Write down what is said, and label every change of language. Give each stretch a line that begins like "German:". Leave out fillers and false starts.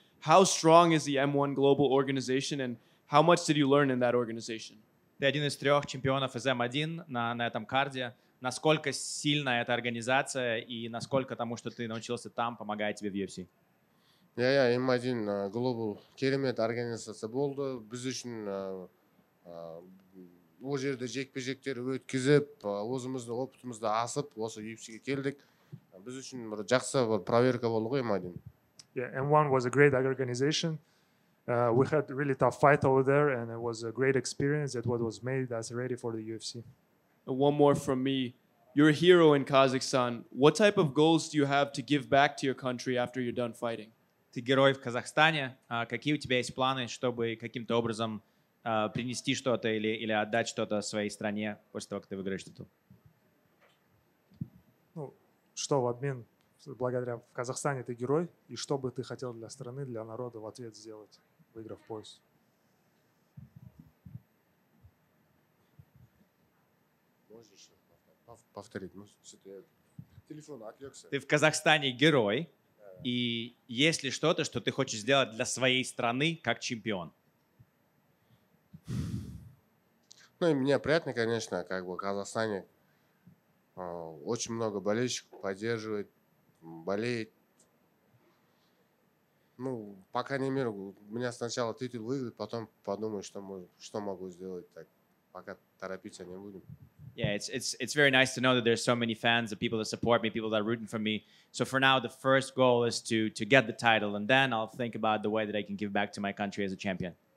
English: How strong is the M1 global organization and how much did you learn in that organization?
Russian: Ты один из трех чемпионов из M1 на этом карде. насколько сильна эта организация и насколько тому, что ты научился там, помогает тебе в UFC?
Kazakh: Я им один глобал керемет организация болды. Біз үшін ол жерде жекпе-жектер өткізіп, өзіміздің опытымызды асып, осы UFC-ге келдік. Біз үшін бір жақсы бір проверка болды ғой, Мадин.
English: Yeah, M1 was a great organization. We had a really tough fight over there, and it was a great experience that what was made us ready for the UFC. And one more from me. You're a hero in Kazakhstan. What type of goals do you have to give back to your country after you're done fighting?
Russian: Ты герой в Казахстане. Какие у тебя есть планы, чтобы каким-то образом принести что-то или отдать что-то своей стране после того, как ты выиграешь титул? Ну, что в обмен? Благодаря в Казахстане ты герой, и что бы ты хотел для страны, для народа в ответ сделать, выиграв пояс? Можешь еще повторить? Ну, телефон отвлекся. Ты в Казахстане герой, и есть ли что-то, что ты хочешь сделать для своей страны как чемпион? Ну, и мне приятно, конечно, как бы в Казахстане очень много болельщиков поддерживает. Болеет. Ну, по крайней мере, у меня сначала титул выиграет, потом подумаю, что могу сделать. Так, пока торопиться не будем.
English: Yeah, it's very nice to know that there's so many fans, the people that support me, people that are rooting for me. So for now, the first goal is to get the title, and then I'll think about the way that I can give back to my country as a champion.